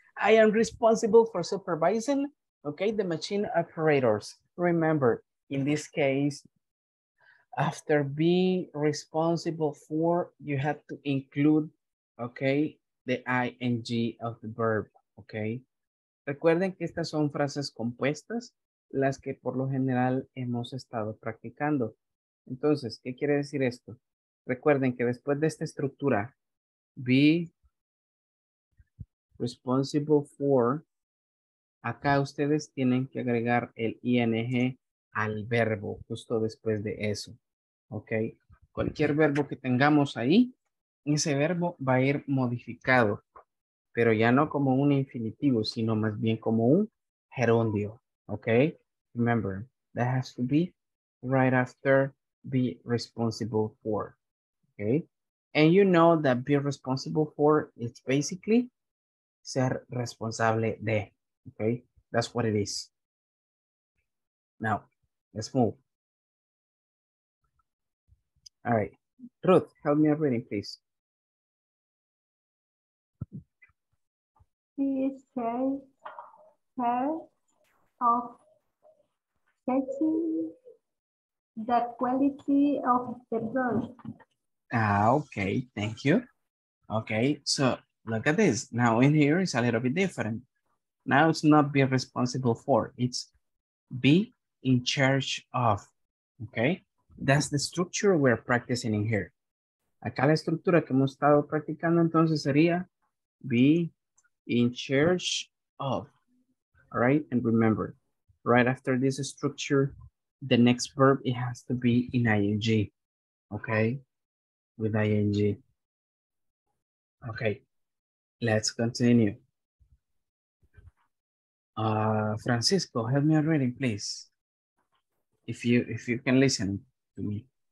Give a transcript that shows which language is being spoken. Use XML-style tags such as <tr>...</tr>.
<en>I am responsible for supervising, okay, the machine operators. Remember, in this case, after be responsible for, you have to include, okay, the ing of the verb, okay?</en> <es>Recuerden que estas son frases compuestas, las que por lo general hemos estado practicando. Entonces, ¿qué quiere decir esto? Recuerden que después de esta estructura, be responsible for, acá ustedes tienen que agregar el ing al verbo, justo después de eso. ¿Ok? Cualquier verbo que tengamos ahí, ese verbo va a ir modificado, pero ya no como un infinitivo, sino más bien como un gerundio. ¿Ok?</es> <en>Remember, that has to be right after be responsible for. Okay. And you know that be responsible for is basically</en> <es>ser responsable de.</es> <en>Okay. That's what it is. Now, let's move. All right. Ruth, help me a reading, please. He is of catching the quality of the bird. Ah, okay, thank you. Okay, so look at this. Now in here it's a little bit different. Now it's not be responsible for, it's be in charge of. Okay, that's the structure we're practicing in here.</en> <es>Acá la estructura que hemos estado practicando entonces sería be in charge of.</es> <en>All right, and remember, right after this structure, the next verb, it has to be in ing, okay? With ing. Okay, let's continue. Francisco, help me already, please. If you can listen to me.</en>